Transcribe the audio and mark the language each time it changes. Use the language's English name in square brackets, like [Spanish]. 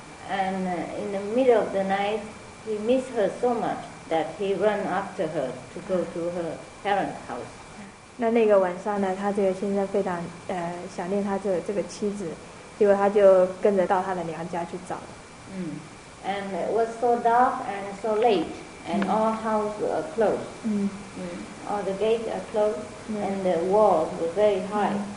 [English] And in the middle of the night, he missed her so much that he ran after her to go to her parents' house. [Chinese] 那个晚上呢，他这个先生非常想念他这个妻子，结果他就跟着到他的娘家去找。 [English] And it was so dark and so late, and all houses are closed. All the gates are closed, and the walls were very high.